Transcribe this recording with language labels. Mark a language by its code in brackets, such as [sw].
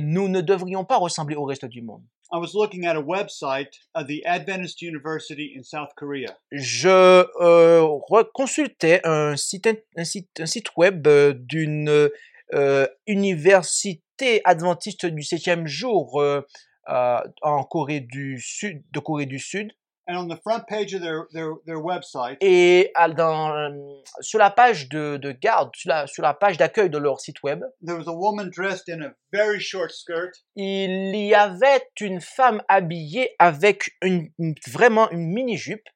[fr] Nous ne devrions pas ressembler au reste du monde. [en] I was looking at a website of the Adventist University in South Korea. [fr] Je consultais un site web d'une université adventiste du septième jour en Corée du Sud, de Corée du Sud. [en] And on the front page of their website. [fr] Et sur la page de garde, sur la page d'accueil de leur site web. [en] There was a woman dressed in a very short skirt. [fr] Il y avait une femme habillée avec une mini jupe.